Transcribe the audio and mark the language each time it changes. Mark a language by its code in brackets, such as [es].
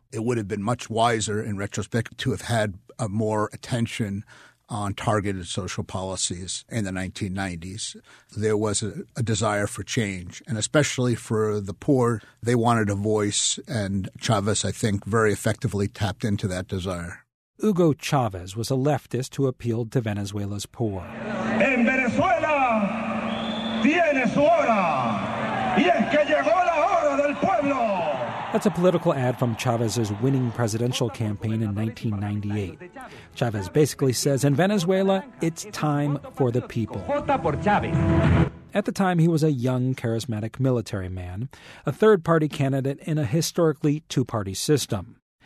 [en] It would have been much wiser in retrospect to have had a more attention on targeted social policies in the 1990s. There was a desire for change, and especially for the poor, they wanted a voice, and Chavez, I think, very effectively tapped into that desire. Hugo Chavez was a leftist who appealed to Venezuela's poor. [es] En Venezuela tiene su hora, y es que llegó la hora del pueblo. [en] That's a political ad from Chavez's winning presidential campaign in 1998. Chavez basically says, in Venezuela, it's time for the people. At the time, he was a young, charismatic military man, a third-party candidate in a historically two-party system.